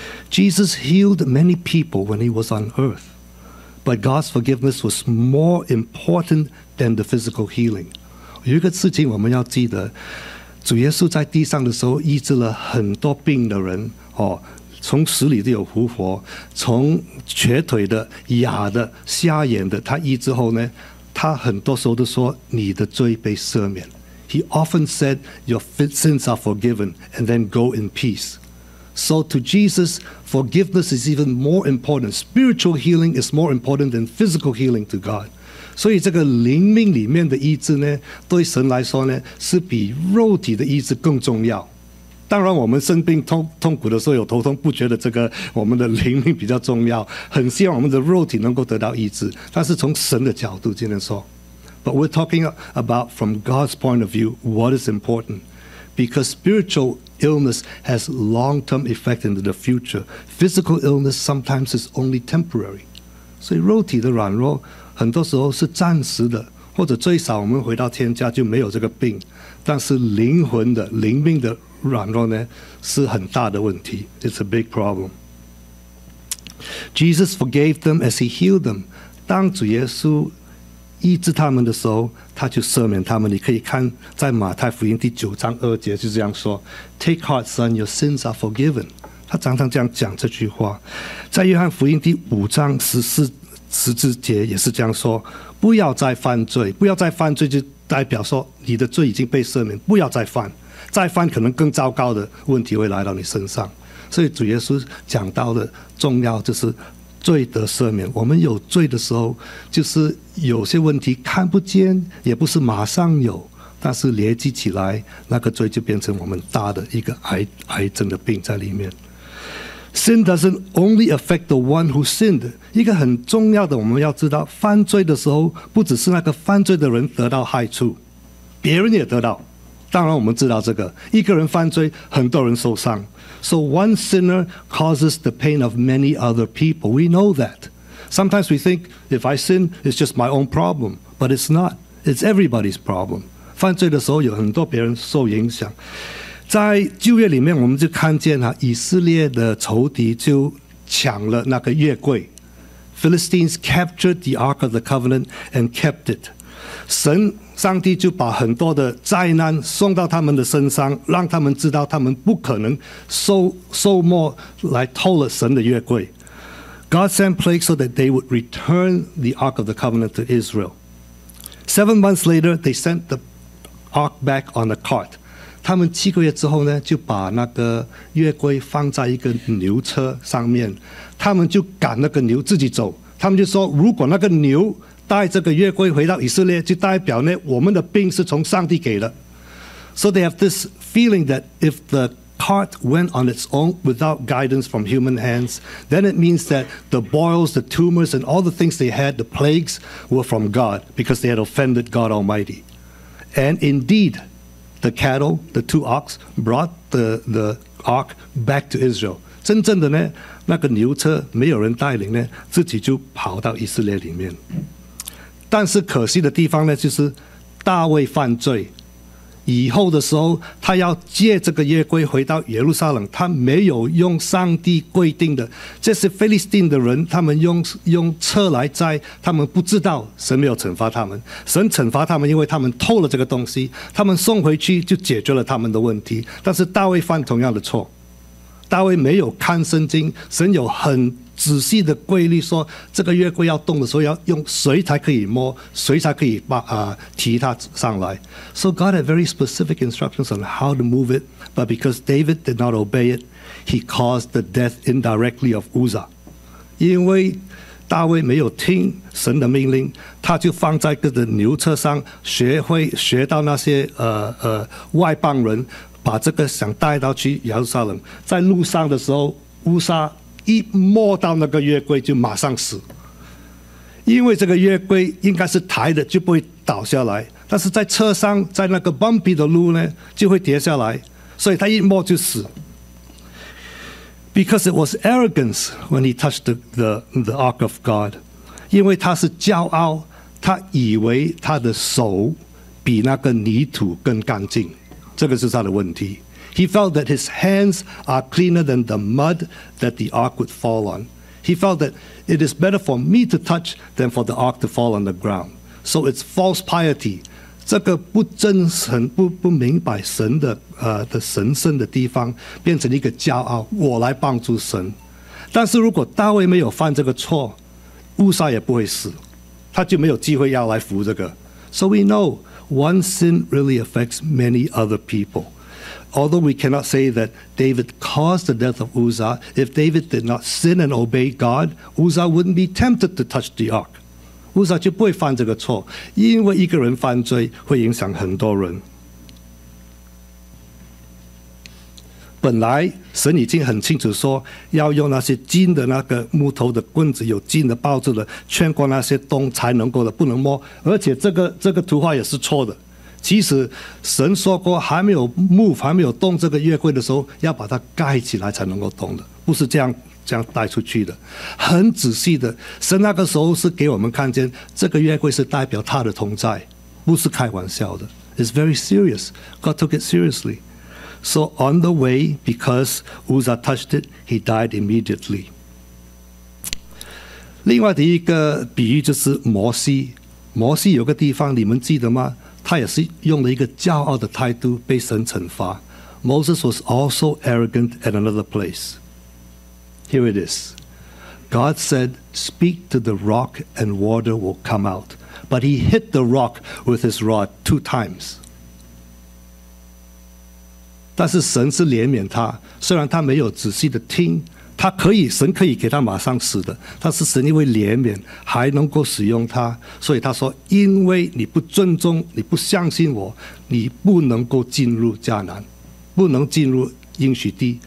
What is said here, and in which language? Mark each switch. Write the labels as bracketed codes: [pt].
[en] Jesus healed many people when he was on earth, but God's forgiveness was more important than the physical healing. [zh] 有一个事情我们要记得，主耶稣在地上的时候医治了很多病的人，哦，从死里都有复活，从瘸腿的、哑的、瞎眼的，他医治后呢，他很多时候都说你的罪被赦免。 [en] He often said, "Your sins are forgiven," and then go in peace. So to Jesus, forgiveness is even more important. Spiritual healing is more important than physical healing to God. [zh] 所以这个灵命里面的医治呢，对神来说呢，是比肉体的医治更重要。当然我们生病 痛苦的时候有头痛，不觉得这个我们的灵命比较重要，很希望我们的肉体能够得到医治。但是从神的角度今天说， [en] But we're talking about from God's point of view, what is important? Because spiritualIllness has long-term effect into the future. Physical illness sometimes is only temporary. [zh] 所以肉体的软弱很多时候是暂时的，或者最少我们回到天家就没有这个病。但是灵魂的灵命的软弱呢，是很大的问题。 [en] It's a big problem. Jesus forgave them as he healed them. [zh] 当主耶稣医治他们的时候，他就赦免他们。你可以看在马太福音第九章二节就这样说 [en] Take heart son, your sins are forgiven. [zh] 他常常这样讲这句话。在约翰福音第五章十字节也是这样说，不要再犯罪。不要再犯罪就代表说你的罪已经被赦免，不要再犯，再犯可能更糟糕的问题会来到你身上。所以主耶稣讲到的重要就是罪得赦免。我们有罪的时候，就是有些问题看不见，也不是马上有，但是累积起来，那个罪就变成我们大的一个癌症的病在里面。 [en] Sin doesn't only affect the one who sinned. [zh] 一个很重要的，我们要知道，犯罪的时候，不只是那个犯罪的人得到害处，别人也得到。当然，我们知道这个，一个人犯罪，很多人受伤。 [en] So one sinner causes the pain of many other people. We know that. Sometimes we think, if I sin, it's just my own problem. But it's not. It's everybody's problem. [zh] 犯罪的时候有很多别人受影响。在旧约里面我们就看见以色列的仇敌就抢了那个约柜。 [en] Philistines captured the Ark of the Covenant and kept it. [zh] 神上帝就把很多的灾难送到他们的身上，让他们知道他们不可能受磨来偷了神的约柜。 [en] God sent plagues so that they would return the Ark of the Covenant to Israel. 7 months later, they sent the Ark back on a cart. [zh] 他们七个月之后呢，就把那个约柜放在一个牛车上面，他们就赶那个牛自己走。他们就说，如果那个牛带这个约柜回到以色列，就代表呢我们的病是从上帝给的。 [en] So they have this feeling that if the cart went on its own without guidance from human hands, then it means that the boils, the tumors, and all the things they had, the plagues, were from God because they had offended God Almighty. And indeed, the cattle, the two ox, brought the ark back to Israel. [zh] 真正的呢，那个牛车没有人带领呢，自己就跑到以色列里面。但是可惜的地方呢，就是大卫犯罪以后的时候，他要借这个约柜回到耶路撒冷，他没有用上帝规定的，这是非利士丁的人，他们用车来载，他们不知道神没有惩罚他们，神惩罚他们，因为他们偷了这个东西，他们送回去就解决了他们的问题。但是大卫犯同样的错，大卫没有看圣经，神有很仔细的规律说，这个约柜要动的时候要用谁才可以摸，谁才可以提它上来。 [en] So God had very specific instructions on how to move it, but because David did not obey it, he caused the death indirectly of Uzzah. [zh] 因为大卫没有听神的命令，他就放在个的牛车上，学到那些外邦人把这个想带到去耶路撒冷，在路上的时候，乌撒一摸到那个约柜就马上死，因为这个约柜应该是抬的，就不会倒下来。但是在车上，在那个 bumpy 的路呢，就会跌下来，所以他一摸就死。 [en] Because it was arrogance when he touched the ark of God， [zh] 因为他是骄傲，他以为他的手比那个泥土更干净，这个是他的问题。 [en] He felt that his hands are cleaner than the mud that the ark would fall on. He felt that it is better for me to touch than for the ark to fall on the ground. So it's false piety. [zh] 这个不真诚、不明白神的的神圣的地方，变成一个骄傲。我来帮助神，但是如果大卫没有犯这个错，乌撒也不会死，他就没有机会要来服这个。 [en] So we know one sin really affects many other people. Although we cannot say that David caused the death of Uzzah, if David did not sin and obey God, Uzzah wouldn't be tempted to touch the ark. [zh] Uzzah 就不会犯这个错，因为一个人犯罪会影响很多人。本来神已经很清楚说，要用那些金的那个木头的棍子，有金的包子的，穿过那些洞才能够的，不能摸。而且这个图画也是错的。其实神说过还没有 move 还没有动这个约柜的时候，要把它盖起来才能够动的，不是这样带出去的。很仔细的，神那个时候是给我们看见这个约柜是代表他的同在，不是开玩笑的。 [en] It's very serious. God took it seriously. So on the way, because Uzzah touched it, he died immediately. [zh] 另外的一个比喻就是摩西有个地方你们记得吗？他也是用了一个骄傲的态度被神惩罚。 [en] Moses was also arrogant at another place. Here it is. God said, speak to the rock and water will come out. But he hit the rock with his rod 2 times. [zh] 但是神是怜悯他，虽然他没有仔细的听，他可以，神可以给他马上死的，但是神因为怜悯还能够使用他，所以他说，因为你不尊重，你不相信我，你不能够进入迦南，不能进入应许地。